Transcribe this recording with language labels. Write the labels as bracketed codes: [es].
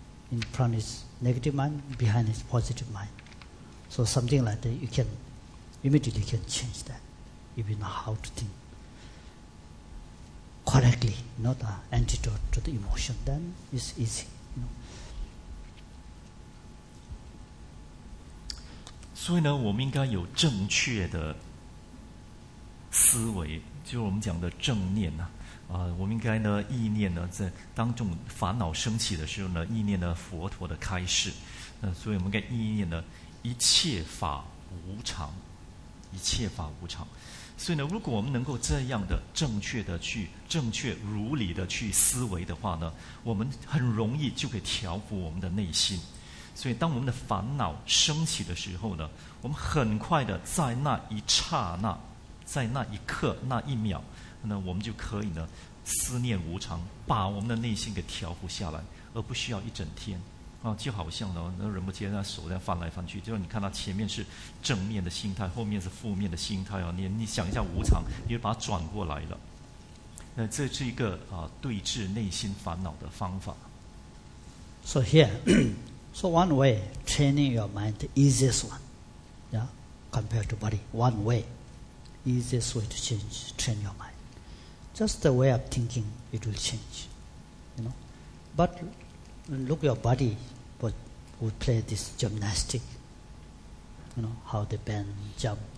[en] In front is negative mind, behind is positive mind. So something like that, you can immediately can change that, if you know how to think correctly, you know, the antidote to the emotion, then it's easy, you know. [zh] 所以呢，我们应该有正确的思维，就是我们讲的正念呐、我们应该呢，意念呢，在当众烦恼升起的时候呢，意念呢，佛陀的开示。所以我们应该意念呢，一切法无常，一切法无常。所以呢，如果我们能够这样的正确如理的去思维的话呢，我们很容易就可以调伏我们的内心。所以当我们的烦恼升起的时候呢，我们很快的在那一刹那，在那一刻那一秒，那我们就可以呢思念无常，把我们的内心给调伏下来，而不需要一整天啊。就好像呢，那人不接那手在翻来翻去，就是你看他前面是正面的心态，后面是负面的心态啊。你想一下无常，你就把它转过来了。那这是一个对治内心烦恼的方法。 [en] So here. So one way, training your mind, the easiest one, yeah, compared to body. One way, easiest way to change, train your mind. Just the way of thinking, it will change, you know. But look your body, who play this gymnastic, you know, how they bend, jump.